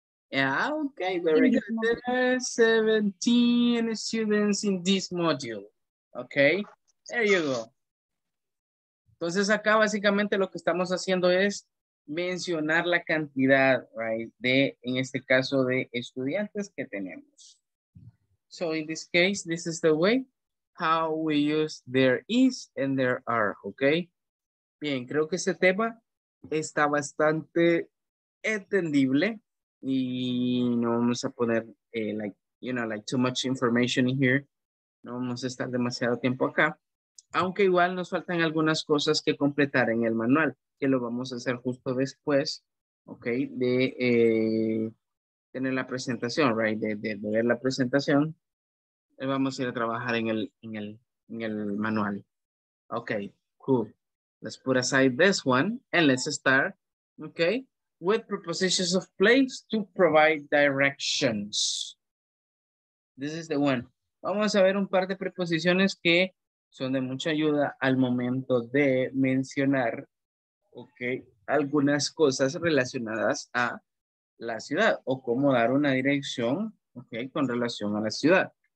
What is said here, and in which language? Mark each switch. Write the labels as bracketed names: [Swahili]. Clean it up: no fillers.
[English] Yeah, okay, very good. There are 17 students in this module. Okay, there you go. [Spanish] Entonces acá básicamente lo que estamos haciendo es mencionar la cantidad, right, de, en este caso, de estudiantes que tenemos. [English] So in this case, this is the way how we use there is and there are, okay? [Spanish] Bien, creo que ese tema está bastante entendible y no vamos a poner, [English] like too much information in here. [Spanish] No vamos a estar demasiado tiempo acá. Aunque igual nos faltan algunas cosas que completar en el manual, que lo vamos a hacer justo después, okay, de tener la presentación, right, de ver la presentación. Vamos a ir a trabajar en el manual. [English] Okay, cool. Let's put aside this one and let's start, okay, with prepositions of place to provide directions. This is the one. [Spanish] Vamos a ver un par de preposiciones que son de mucha ayuda al momento de mencionar, okay, algunas cosas relacionadas a la ciudad o cómo dar una dirección, okay, con relación a la ciudad.